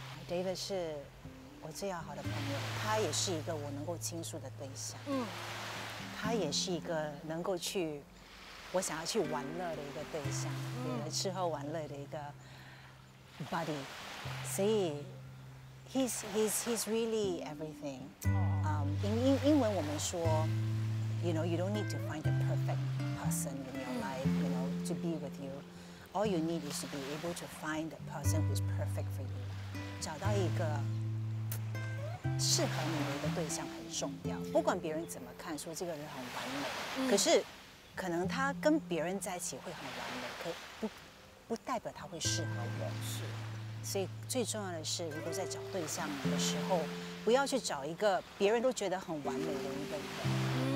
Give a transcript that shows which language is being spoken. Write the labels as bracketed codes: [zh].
[zh] David 是我最要好的朋友，他也是一个我能够倾诉的对象。嗯，他也是一个能够去我想要去玩乐的一个对象，嗯，吃喝玩乐的一个 buddy。所以 [en] he's really everything。 [zh] 英文我们说 [en] ，you know you don't need to find the perfect person in your life。 To be with you, all you need is to be able to find the person who's perfect for you. [zh] 找到一个适合你的一个对象很重要。不管别人怎么看，说这个人很完美，可是可能他跟别人在一起会很完美，可不代表他会适合我。是，所以最重要的是，如果在找对象的时候，不要去找一个别人都觉得很完美的一个人。